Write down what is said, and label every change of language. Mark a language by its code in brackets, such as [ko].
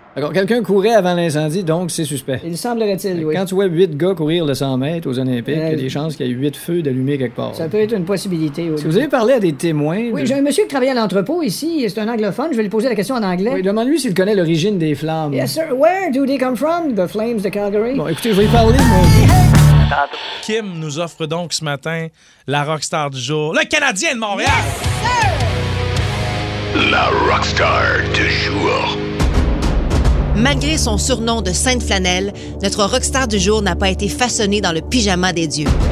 [fr] D'accord, quelqu'un courait avant l'incendie, donc c'est suspect. Il semblerait-il, oui. Quand tu vois 8 gars courir le 100 mètres aux Olympiques, il y a des chances qu'il y ait 8 feux d'allumer quelque part. Ça peut être une possibilité, oui. Si vous avez parlé à des témoins... Oui, j'ai un monsieur qui travaille à l'entrepôt ici, c'est un anglophone, je vais lui poser la question en anglais. Oui, demande-lui s'il connaît l'origine des flammes. [en] Yes, sir, where do they come from, the flames de Calgary? [fr] Bon, écoutez, je vais y parler, mon... Kim nous offre donc ce matin la rockstar du jour, le Canadien de Montréal! [en] Yes, sir! [fr] La rockstar du jour. Malgré son surnom de Sainte Flanelle, notre rockstar du jour n'a pas été façonné dans le pyjama des dieux.